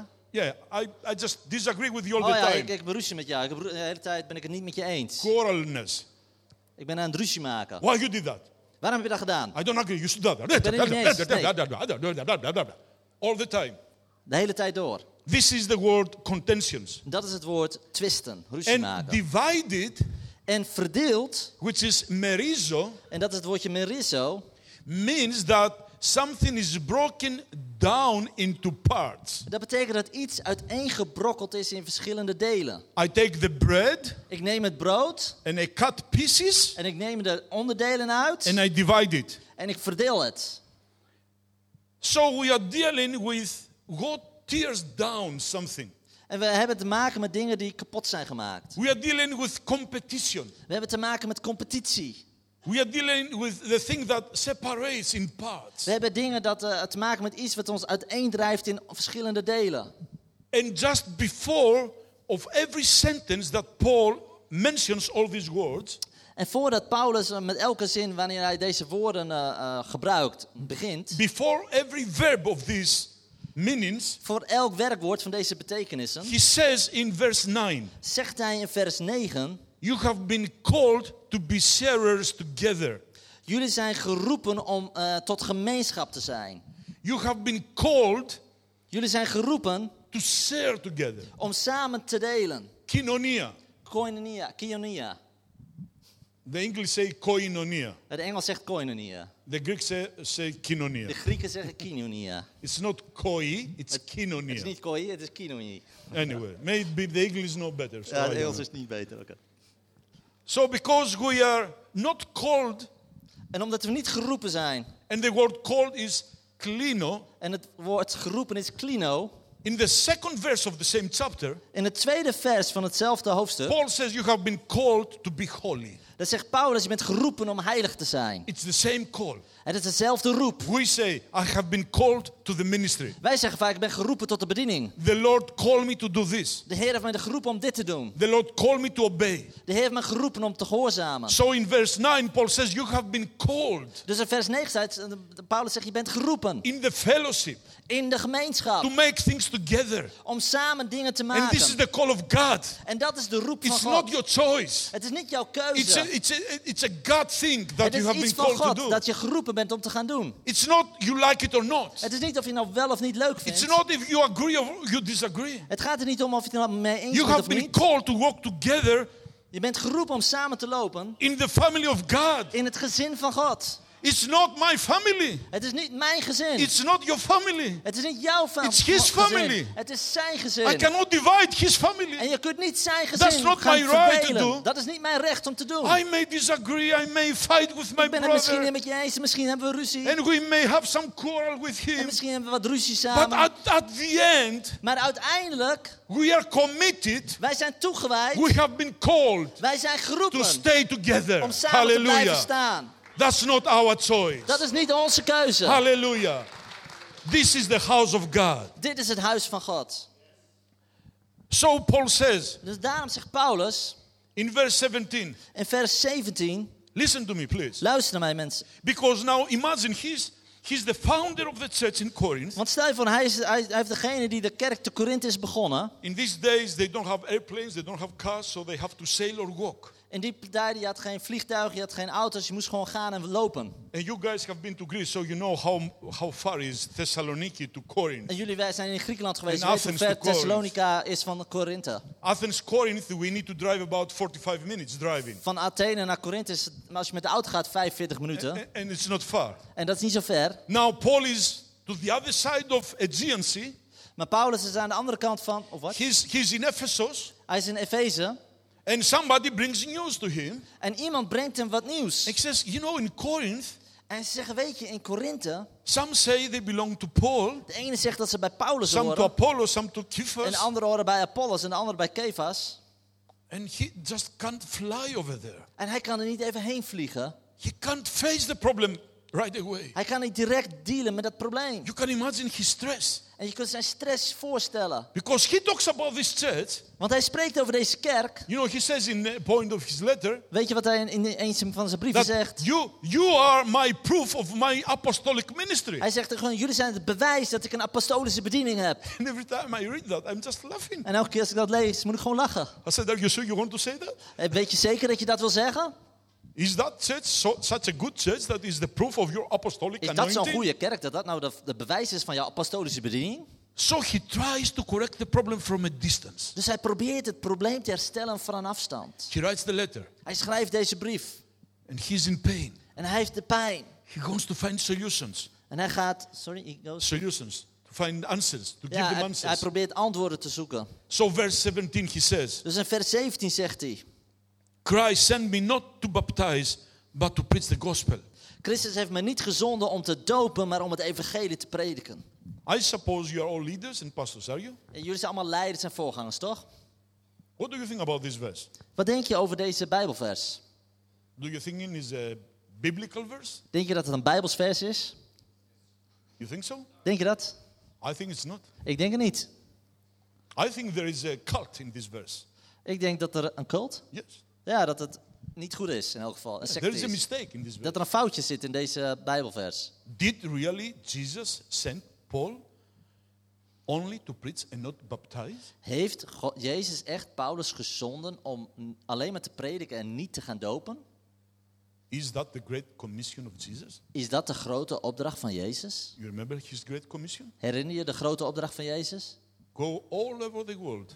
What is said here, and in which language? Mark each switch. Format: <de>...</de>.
<en>Yeah, I just disagree with you all the time.</en> <nl>Oh ja, ik beruzie met jou. De hele tijd ben ik het niet met je eens.</nl> <en>Quarrelness.</en> <nl>Ik ben aan het ruzie maken.</nl> <en>Why you did that?</en> <nl>Waarom heb je dat gedaan?</nl> <en>I don't agree. You should do that. All the time.</en> <nl>De hele tijd door.</nl> <en>This is the word contentions.</en> <nl>Dat is het woord twisten, ruzie maken.</nl> <en>And divided.</en> <nl>En verdeeld.</nl> <en>Which is merizo.</en> <nl>En dat is het woordje merizo.</nl> <en>Means that something is broken down into parts.</en> <nl>Dat betekent dat iets uiteengebrokkeld is in verschillende delen.</nl> <en>I take the bread.</en> <nl>Ik neem het brood.</nl> <en>And I cut pieces.</en> <nl>En ik neem de onderdelen uit.</nl> <en>And I divide it.</en> <nl>En ik verdeel het.</nl> <en>So we are dealing with God tears down something.</en> <nl>En we hebben te maken met dingen die kapot zijn gemaakt.</nl> <en>We are dealing with competition.</en> <nl>We hebben te maken met competitie.</nl> <en>We are dealing with the thing that separates in parts.</en> <nl>We hebben dingen dat te maken met iets wat ons uiteendrijft in verschillende delen.</nl> <en>And just before of every sentence that Paul mentions all these words.</en> <nl>En voordat Paulus met elke zin wanneer hij deze woorden gebruikt begint.</nl> <en>Before every verb of these meanings.</en> <nl>Voor elk werkwoord van deze betekenissen.</nl> <en>He says in verse 9.</en> <nl>Zegt hij in vers 9.</nl> <en>You have been called to be sharers together.</en> <nl>Jullie zijn geroepen om tot gemeenschap te zijn.</nl> <en>You have been called.</en> <nl>Jullie zijn geroepen.</nl> <en>To share together.</en> <nl>Om samen te delen.</nl> <el>Kinonia. Koinonia. Kinonia.</el> <en>The English say koinonia.</en> <nl>Het Engels zegt koinonia.</nl> <en>The Greeks say kinonia.</en> <nl>De Grieken zeggen kinonia.</nl> <en>It's not koi, it's kinonia.</en> <nl>Het is niet koi, het is kinonia.</nl> <en>Anyway, maybe the English is not better. So</en> <nl>ja, het Engels is niet beter, oké.</nl> <en>Okay. So because we are not called.</en> <nl>En omdat we niet geroepen zijn.</nl> <en>And the word called is klino.</en> <nl>En het woord geroepen is klino.</nl> <en>In the second verse of the same chapter.</en> <nl>In het tweede vers van hetzelfde hoofdstuk.</nl> <en>Paul says you have been called to be holy.</en> <nl>Dat zegt Paulus, je bent geroepen om heilig te zijn.</nl> <en>It's the same call.</en> <nl>Het is dezelfde roep.</nl> <en>We say, I have been called to the ministry.</en> <nl>Wij zeggen vaak, ik ben geroepen tot de bediening.</nl> <en>The Lord called me to do this.</en> <nl>De Heer heeft mij geroepen om dit te doen.</nl> <en>The Lord called me to obey.</en> <nl>De Heer heeft mij geroepen om te gehoorzamen.</nl> <en>So in verse 9, Paul says, you have been called.</en> <nl>Dus in vers 9 zegt Paulus, je bent geroepen.</nl> <en>In the fellowship.</en> <nl>In de gemeenschap.</nl> <en>To make things together.</en> <nl>Om samen dingen te maken.</nl> <en>And this is the call of God.</en> <nl>En dat is de roep</nl> <en>it's</en> <nl>van God.</nl> <en>Not your choice.</en> <nl>Het is niet jouw keuze.</nl> <en>It's a God thing that you have been called to do.</en> <nl>Dat je geroepen bent om te gaan doen.</nl> <en>It's not you like it or not.</en> <nl>Het is niet of je nou wel of niet leuk vindt.</nl> <en>It's not if you agree or you disagree.</en> <nl>Het gaat er niet om of je het nou mee eens bent.</nl> <en>You have been called to walk together.</en> <nl>Je bent geroepen om samen te lopen.</nl> <en>In the family of God.</en> <nl>In het gezin van God.</nl> <en>It's not my family.</en> <nl>Het is niet mijn gezin.</nl> <en>It's not your family.</en> <nl>Het is niet jouw familie.</nl> <en>It's his family.</en> <nl>Het is zijn gezin.</nl> <en>I cannot divide his family.</en> <nl>En je kunt niet zijn gezin</nl> <en>That's not</en> <nl>gaan</nl> <en>my</en> <nl>verdelen.</nl> <en>Right to do.</en> <nl>Dat is niet mijn recht om te doen.</nl> <en>I may disagree. I may fight with my brother.</en> <nl>Ik ben het misschien niet met je eens. Misschien hebben we ruzie.</nl> <en>And we may have some quarrel with him.</en> <nl>En misschien hebben we wat ruzie samen.</nl> <en>But at the end.</en> <nl>Maar uiteindelijk.</nl> <en>We are committed.</en> <nl>Wij zijn toegewijd.</nl> <en>We have been called.</en> <nl>Wij zijn geroepen.</nl> <en>To stay together.</en> <nl>Om samen Halleluja. Te blijven staan.</nl> <en>That's not our choice.</en> <nl>Dat is niet onze keuze.</nl> <en>Hallelujah. This is the house of God.</en> <nl>Dit is het huis van God.</nl> <en>So Paul says.</en> <nl>Dus daarom zegt Paulus.</nl> <en>In verse 17.</en> <nl>In vers 17.</nl> <en>Listen to me, please.</en> <nl>Luister naar mij, mensen.</nl> <en>Because now imagine he's the founder of the church in Corinth.</en> <nl>Want stel je voor, hij heeft degene die de kerk te Corinth is begonnen.</nl> <en>In these days they don't have airplanes, they don't have cars, so they have to sail or walk.</en> <nl>In die tijden, je had geen vliegtuigen, je had geen auto's, je moest gewoon gaan en lopen.</nl> <en>And you guys have been to Greece, so you know how far is Thessaloniki to Corinth.</en> <nl>En jullie wij zijn in Griekenland geweest, weet hoe ver Thessalonica is van Corinthe.</nl> <en>Athens Corinth, we need to drive about 45 minutes driving.</en> <nl>Van Athene naar Corinthe is, als je met de auto gaat, 45 minuten.</nl> <en>And it's not far.</en> <nl>En dat is niet zo ver.</nl> <en>Now Paul is to the other side of Aegean Sea.</en> <nl>Maar Paulus is aan de andere kant van, of wat?</nl> <en>He's in Ephesus.</en> <nl>Hij is in Efeze.</nl> <en>And somebody brings news to him.</en> <nl>En iemand brengt hem wat nieuws.</nl> <en>He says, you know, in Corinth.</en> <nl>En ze zeggen, weet je, in Korinthe.</nl> <en>Some say they belong to Paul.</en> <nl>De ene zegt dat ze bij Paulus</nl> <en>some Some to Apollos, some to Kephas.</en> <nl>En andere horen bij Apollos en andere bij Kephas.</nl> <en>And he just can't fly over there.</en> <nl>En hij kan er niet even heen vliegen.</nl> <en>He can't face the problem right away.</en> <nl>Hij kan niet direct dealen met dat probleem.</nl> <en>You can imagine his stress.</en> <nl>En je kunt zijn stress voorstellen.</nl> <en>Because he talks about this church.</en> <nl>Want hij spreekt over deze kerk.</nl> <en>You know, he says in the point of his letter.</en> <nl>Weet je wat hij in een van zijn brieven zegt?</nl> <en>You are my proof of my apostolic ministry.</en> <nl>Hij zegt gewoon, jullie zijn het bewijs dat ik een apostolische bediening heb.</nl> <en>And every time I read that, I'm just laughing.</en> <nl>En elke keer als ik dat lees, moet ik gewoon lachen.</nl> <en>I said, are you sure you want to say that?</en> <nl>Weet je zeker dat je dat wil zeggen?</nl> <en>Is that church so, such a good church that is the proof of your apostolic anointing?</en> <nl>Is dat zo'n goede kerk dat nou de bewijs is van jouw apostolische bediening?</nl> <en>So he tries to correct the problem from a distance.</en> <nl>Dus hij probeert het probleem te herstellen van een afstand.</nl> <en>He writes the letter.</en> <nl>Hij schrijft deze brief.</nl> <en>And he's in pain.</en> <nl>En hij heeft de pijn.</nl> <en>He goes to find solutions.</en> <nl>En hij gaat, sorry,</nl> <en>he goes. Solutions. To find answers, to give them answers.</en> <nl>Hij probeert antwoorden te zoeken.</nl> <en>So verse 17 he says.</en> <nl>Dus in vers 17 zegt hij.</nl> <en>Christ sent me not to baptize, but to preach the gospel.</en> <nl>Christus heeft me niet gezonden om te dopen, maar om het evangelie te prediken.</nl> <en>I suppose you are all leaders and pastors, are you?</en> <nl>En jullie zijn allemaal leiders en voorgangers, toch?</nl> <en>What do you think about this verse?</en> <nl>Wat denk je over deze Bijbelvers?</nl> <en>Do you think it is a biblical verse?</en> <nl>Denk je dat het een Bijbels vers is?</nl> <en>You think so?</en> <nl>Denk je dat?</nl> <en>I think it's not.</en> <nl>Ik denk het niet.</nl> <en>I think there is a cult in this verse.</en> <nl>Ik denk dat er een cult?</nl> <en>Yes.</en> <nl>Ja, dat het niet goed is in elk geval. Een</nl> <en>there is a mistake in this verse.</en> <nl>Dat er een foutje zit in deze Bijbelvers.</nl> <en>Did really Jesus send Paul only to preach and not baptize?</en> <nl>Heeft God, Jezus echt Paulus gezonden om alleen maar te prediken en niet te gaan dopen?</nl> <en>Is that the great commission of Jesus?</en> <nl>Is dat de grote opdracht van Jezus?</nl> <en>You remember his great commission?</en> <nl>Herinner je de grote opdracht van Jezus?</nl> <en>Go all over the world.</en>